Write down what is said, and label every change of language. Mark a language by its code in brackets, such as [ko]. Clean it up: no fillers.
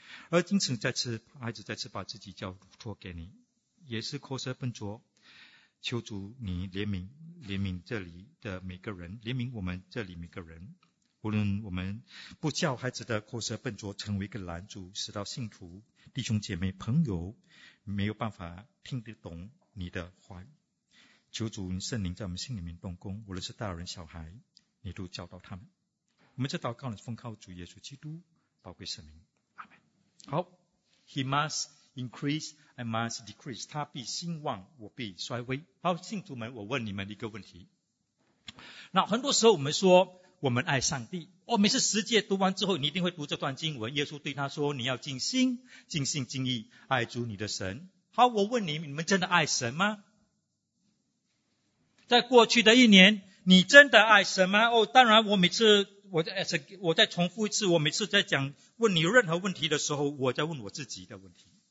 [zh] 而因此再次孩子再次把自己交托给你，也是口舌笨拙，求主你怜悯这里的每个人，怜悯我们这里每个人，无论我们不叫孩子的口舌笨拙成为一个拦阻，使到信徒弟兄姐妹朋友没有办法听得懂你的话语。求主你圣灵在我们心里面动工，无论是大人小孩，你都教导他们。我们这祷告是奉靠主耶稣基督宝贵圣名，阿们。好， [en] He must increase, I must decrease， [zh] 他必兴旺，我必衰微。好，信徒们，我问你们一个问题。那很多时候我们说我们爱上帝，我每次十诫读完之后，你一定会读这段经文，耶稣对他说，你要尽心尽心尽意爱主你的神。好，我问你，你们真的爱神吗？在过去的一年，你真的爱神吗？哦，当然，我再重复一次，我每次在讲问你任何问题的时候，我在问我自己的问题。